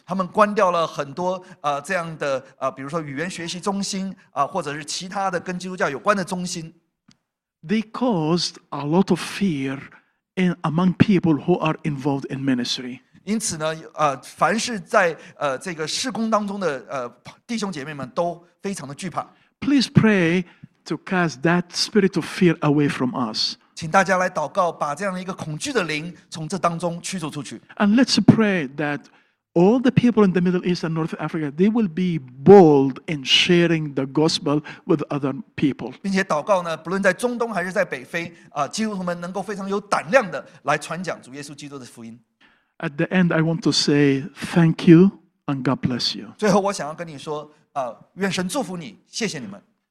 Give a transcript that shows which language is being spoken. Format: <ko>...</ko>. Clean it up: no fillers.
<zh>他们关掉了很多这样的比如说语言学习中心啊，或者是其他的跟基督教有关的中心。</zh> <en>They caused a lot of fear in among people who are involved in ministry.</en> <zh>因此呢，凡是在这个事工当中的弟兄姐妹们都非常的惧怕。</zh> <en>Please pray to cast that spirit of fear away from us.</en> <zh>请大家来祷告，把这样的一个恐惧的灵从这当中驱逐出去。</zh> <en>And let's pray that all the people in the Middle East and North Africa, they will be bold in sharing the gospel with other people.</en> <zh>并且祷告呢，不论在中东还是在北非，基督徒们能够非常有胆量的来传讲主耶稣基督的福音。</zh> <en>At the end, I want to say thank you and God bless you.</en> <zh>最后，我想要跟你说，愿神祝福你，谢谢你们。</zh>